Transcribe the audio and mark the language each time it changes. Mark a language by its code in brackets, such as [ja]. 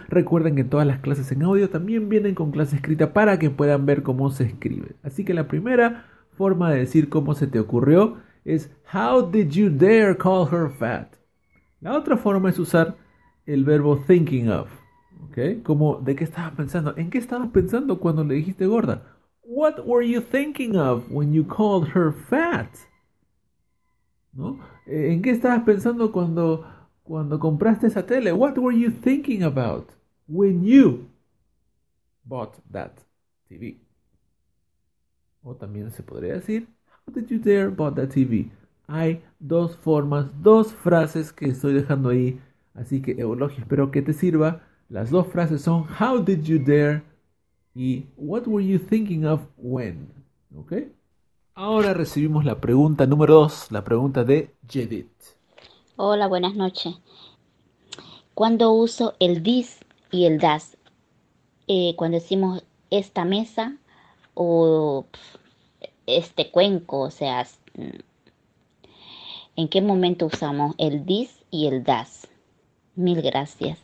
[es] Recuerden que todas las clases en audio también vienen con clase escrita para que puedan ver cómo se escribe. Así que la primera forma de decir cómo se te ocurrió es, [en] how did you dare call her fat? [es] La otra forma es usar el verbo thinking of, ¿ok? Como, ¿de qué estabas pensando? ¿En qué estabas pensando cuando le dijiste gorda? [en] What were you thinking of when you called her fat? [es] ¿No? ¿En qué estabas pensando cuando compraste esa tele? [en] What were you thinking about when you bought that TV? [es] O también se podría decir, [en] how did you dare bought that TV? [es] Hay dos formas, dos frases que estoy dejando ahí. Así que, Eulogio, espero que te sirva. Las dos frases son, [en] how did you dare [es] y [en] what were you thinking of when? [es] ¿Ok? Ahora recibimos la pregunta número 2, la pregunta de Jedit. Hola, buenas noches. Cuando uso el this y el das, cuando decimos esta mesa o este cuenco, o sea, ¿en qué momento usamos el this y el das? Mil gracias.